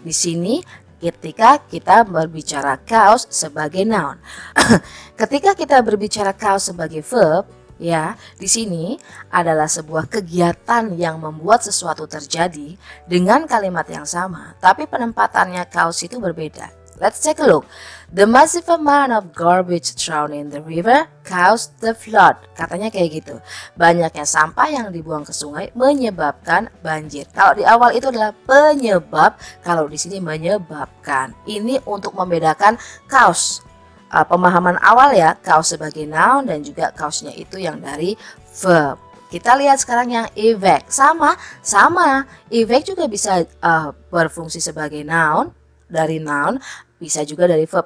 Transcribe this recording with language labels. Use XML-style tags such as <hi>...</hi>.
<id>Di sini ketika kita berbicara cause sebagai noun. Ketika kita berbicara cause sebagai verb, ya, di sini adalah sebuah kegiatan yang membuat sesuatu terjadi dengan kalimat yang sama, tapi penempatannya cause itu berbeda.</id> <en>Let's take a look. The massive amount of garbage thrown in the river caused the flood.</en> <id>Katanya kayak gitu. Banyaknya sampah yang dibuang ke sungai menyebabkan banjir. Kalau di awal itu adalah penyebab, kalau di sini menyebabkan. Ini untuk membedakan cause. Pemahaman awal ya, cause sebagai noun dan juga cause-nya itu yang dari verb. Kita lihat sekarang yang effect. Sama. Effect juga bisa berfungsi sebagai noun, dari noun, bisa juga dari verb.</id>